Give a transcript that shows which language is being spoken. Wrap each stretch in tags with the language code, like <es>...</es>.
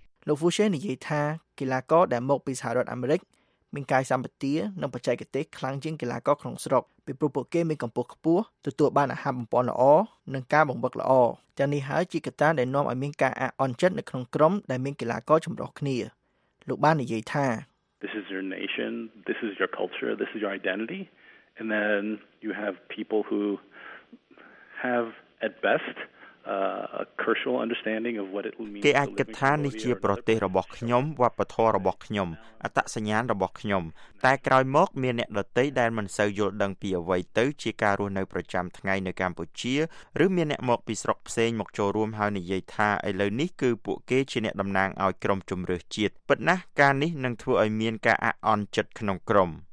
<km>លោក Fouché និយាយថាកីឡាករដែលមកពីសហរដ្ឋអាមេរិកមានកាយសម្បទានិងបច្ចេកទេសខ្លាំងជាងកីឡាករក្នុងស្រុកពីព្រោះពួកគេមានកម្ពស់ខ្ពស់ទទួលបានអាហារបំពេញល្អនិងការបង្វឹកល្អទាំងនេះហើយជាកត្តាដែលនាំឲ្យមានការអាក់អន់ចិត្តនៅក្នុងក្រុមដែលមានកីឡាករចម្រុះគ្នាលោកបាននិយាយថា</km> <en>This is your nation, this is your culture, this is your identity and then you have people who have at best</en> <km>គេអាចគិតថានេះជាប្រទេសរបស់ខ្ញុំវប្បធម៌របស់ខ្ញុំអត្តសញ្ញាណរបស់ខ្ញុំតែក្រោយមកមានអ្នកដទៃដែលមិនសូវយល់ដឹងពីអ្វីទៅជាការរស់នៅប្រចាំថ្ងៃនៅកម្ពុជាឬមានអ្នកមកពីស្រុកផ្សេងមកចូលរួមហើយនិយាយថាឥឡូវនេះគឺពួកគេជាអ្នកតំណាងឲ្យក្រុមជម្រើសជាតិពិតណាស់ការនេះនឹងធ្វើឲ្យមានការអាក់អន់ចិត្តក្នុងក្រុម</km>